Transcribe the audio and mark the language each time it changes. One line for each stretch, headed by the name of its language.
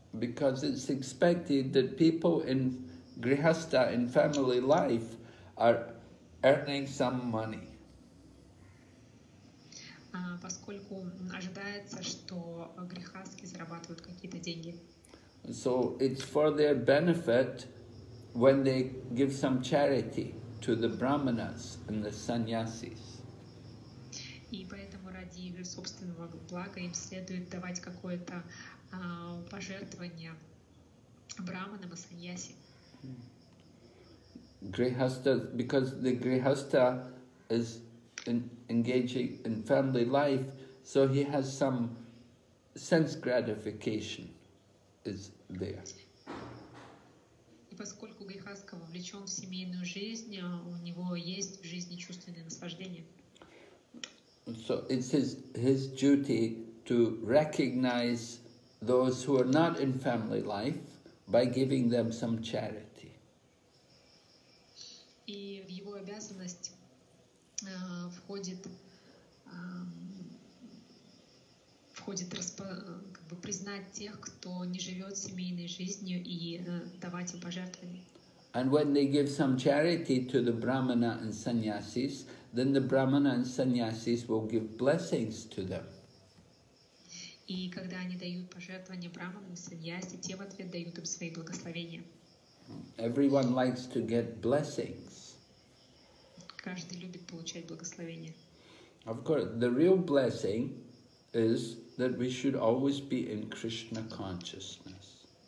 English: Because it's expected that people in grihastha, in family life, are earning some money.
Russian: Поскольку ожидается, что грихаски зарабатывают какие-то деньги.
English: So it's for their benefit when they give some charity to the brahmanas and the sannyasis.
Russian: И поэтому ради собственного блага им следует давать какое-то пожертвование брахманам и саньяси.
English: Grihastha, because the Grihastha is engaging in family life, so he has some sense gratification is there.
Russian: И поскольку Грихаска вовлечен в семейную жизнь, у него есть в жизни чувственное наслаждение.
English: So it's his duty to recognize those who are not in family life by giving them some charity.
Russian: И в его обязанность входит входит как бы признать тех, кто не живет семейной жизнью, и давать им пожертвования.
English: And when they give some charity to the brahmana and sannyasis, then the brahmana and sannyasis will give blessings to them.
Russian: И когда они дают пожертвования брахманам и саньяси, те в ответ дают им свои благословения.
English: Everyone likes to get blessings.
Russian: Каждый любит получать благословения.
English: Of course, the real blessing is that we should always be in Krishna consciousness.